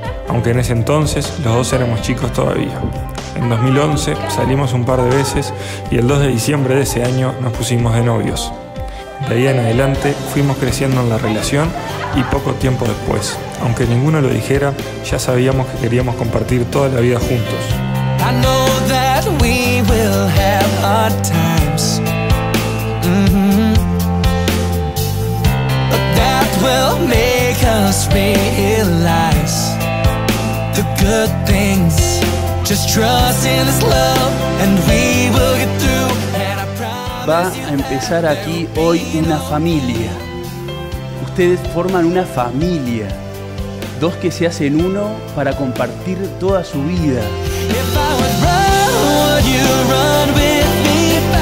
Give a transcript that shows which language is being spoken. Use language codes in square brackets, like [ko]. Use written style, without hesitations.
[es] Aunque en ese entonces, los dos éramos chicos todavía. En 2011, salimos un par de veces y el 2 de diciembre de ese año nos pusimos de novios. De ahí en adelante, fuimos creciendo en la relación y poco tiempo después, aunque ninguno lo dijera, ya sabíamos que queríamos compartir toda la vida juntos. [en] I know that we will have hard times. But that will make us realize the good things. Just trust in this love and we will get through. And I promise. [es] Va a empezar aquí hoy una familia. Ustedes forman una familia. Dos que se hacen uno para compartir toda su vida. [en] If I would run, would you run with me?